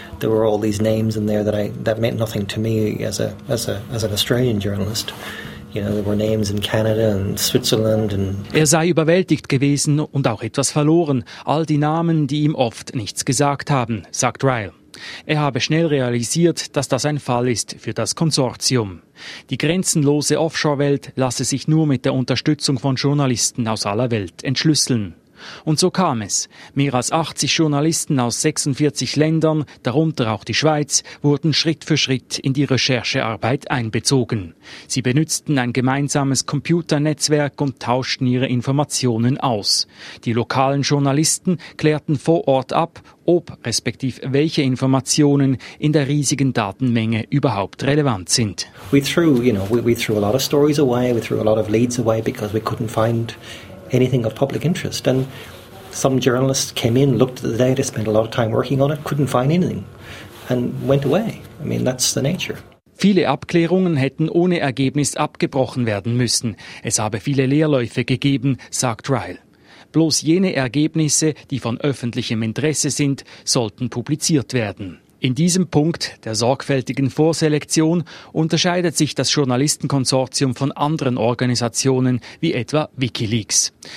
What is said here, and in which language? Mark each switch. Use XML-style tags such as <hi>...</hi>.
<en>There were all these names in there that meant nothing to me as an Australian journalist. You know, there were names in Canada and Switzerland and</en> <de>er sei überwältigt gewesen und auch etwas verloren. All die Namen, die ihm oft nichts gesagt haben, sagt Ryle. Er habe schnell realisiert, dass das ein Fall ist für das Konsortium. Die grenzenlose Offshore-Welt lasse sich nur mit der Unterstützung von Journalisten aus aller Welt entschlüsseln. Und so kam es. Mehr als 80 Journalisten aus 46 Ländern, darunter auch die Schweiz, wurden Schritt für Schritt in die Recherchearbeit einbezogen. Sie benutzten ein gemeinsames Computernetzwerk und tauschten ihre Informationen aus. Die lokalen Journalisten klärten vor Ort ab, ob respektive welche Informationen in der riesigen Datenmenge überhaupt relevant sind.</de> <en>We threw a lot of stories away, we threw a lot of leads away because we couldn't find anything of public interest. And some journalists came in, looked at the data, spent a lot of time working on it, couldn't find anything, and went away. I mean, that's the nature.</en> <de>Viele Abklärungen hätten ohne Ergebnis abgebrochen werden müssen. Es habe viele Leerläufe gegeben, sagt Ryle. Bloß jene Ergebnisse, die von öffentlichem Interesse sind, sollten publiziert werden. In diesem Punkt der sorgfältigen Vorselektion unterscheidet sich das Journalistenkonsortium von anderen Organisationen wie etwa WikiLeaks.</de>